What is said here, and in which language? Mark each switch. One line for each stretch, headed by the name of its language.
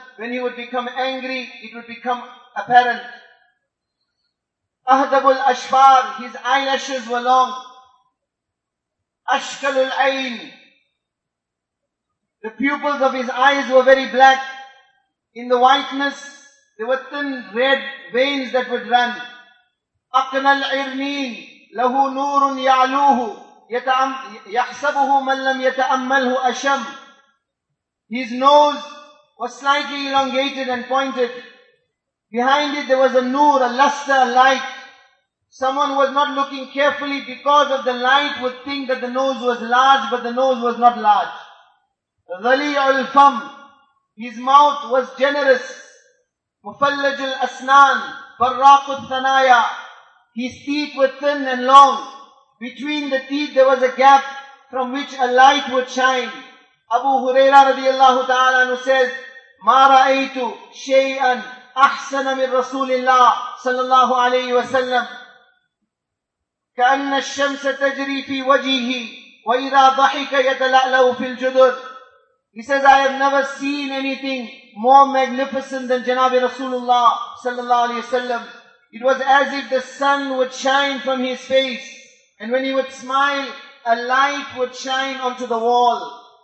English: When he would become angry, it would become apparent. Ahdabul Ashfar, his eyelashes were long. Ashkalul Ayn, the pupils of his eyes were very black. In the whiteness, there were thin red veins that would run.
Arabic: أقنى العرنين له نور يعلوه يحسبه من لم يتأمله أشم.
English: His nose was slightly elongated and pointed. Behind it there was a nur, a luster, a light. Someone who was not looking carefully because of the light would think that the nose was large, but the nose was not large.
Arabic: ظليع الفم.
English: His mouth was generous.
Arabic: مفلج الأسنان فراق الثنايا.
English: His teeth were thin and long. Between the teeth there was a gap from which a light would shine. Abu Huraira radiallahu ta'ala anhu says,
Arabic: مَا رَأَيْتُ شَيْئًا أَحْسَنَ مِنْ رَسُولِ اللَّهِ صَلَى اللَّهُ عَلَيْهِ وَسَلَّمُ كَأَنَّ الشَّمْسَ تَجْرِي فِي وَجِهِ وَإِذَا ضَحِكَ يَتَلَأْلَوْ فِي الْجُدُرِ.
English: He says, I have never seen anything more magnificent than Janabi Rasulullah sallallahu alayhi wasallam. It was as if the sun would shine from his face. And when he would smile, a light would shine onto the wall.